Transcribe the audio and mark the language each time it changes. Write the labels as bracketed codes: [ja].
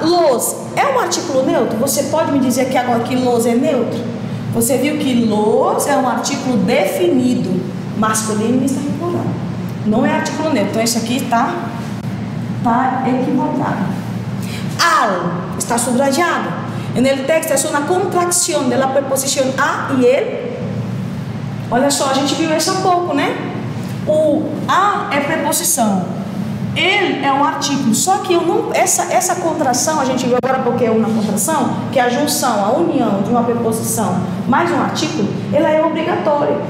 [pt] Los é um artículo neutro? Você pode me dizer que agora que los é neutro? Você viu que los é um artículo definido. Masculino está em plural. Não é artículo neutro. Então, esse aqui está equivocado. [es] Al está subrayado. En el texto es una contracción de la preposición a y el. [pt] Olha só, a gente viu isso há pouco, né? O a é preposição, ele é um artigo, só que eu não, essa contração, a gente viu agora porque é uma contração, que é a junção, a união de uma preposição mais um artigo, ela é obrigatória.